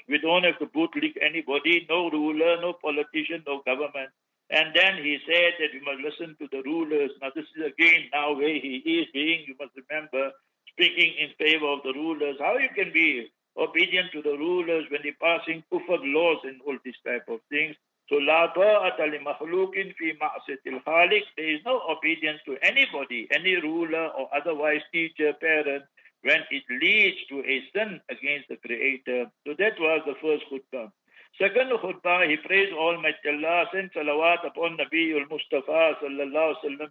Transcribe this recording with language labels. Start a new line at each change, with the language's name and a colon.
English: We don't have to bootlick anybody, no ruler, no politician, no government. And then he said that we must listen to the rulers. Now this is again now where he is being, you must remember, speaking in favor of the rulers. How you can be obedient to the rulers when they're passing kufr laws and all these type of things? So
Arabic: لا طاعة لمخلوقٍ في معصية الخالق.
English: There is no obedience to anybody, any ruler or otherwise teacher, parent, when it leads to a sin against the Creator. So that was the first khutbah. Second khutbah, he praised Almighty Allah, sent salawat upon Nabiul Mustafa sallallahu alaihi wasallam.